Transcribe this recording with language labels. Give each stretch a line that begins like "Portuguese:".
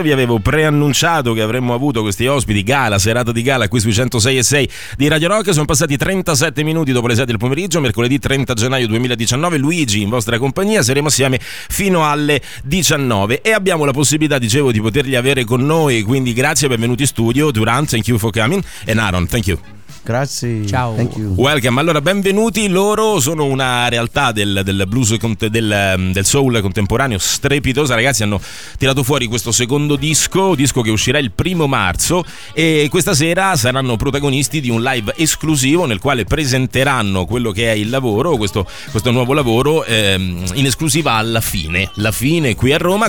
Italian: Vi avevo preannunciato che avremmo avuto questi ospiti gala, serata di gala qui sui 106 e 6 di Radio Rock. Sono passati 37 minuti dopo le 7 del pomeriggio, mercoledì 30 gennaio 2019. Luigi in vostra compagnia, saremo assieme fino alle 19 e abbiamo la possibilità, dicevo, di poterli avere con noi. Quindi grazie, benvenuti in studio.
English: Duran, thank you for coming, and Aaron, thank you.
Italian: Grazie, ciao.
English: Thank you. Welcome.
Italian: Allora, benvenuti. Loro sono una realtà del blues, del soul contemporaneo strepitosa. Ragazzi, hanno tirato fuori questo secondo disco che uscirà il 1 marzo, e questa sera saranno protagonisti di un live esclusivo nel quale presenteranno quello che è il lavoro, questo nuovo lavoro, in esclusiva alla fine, qui a Roma.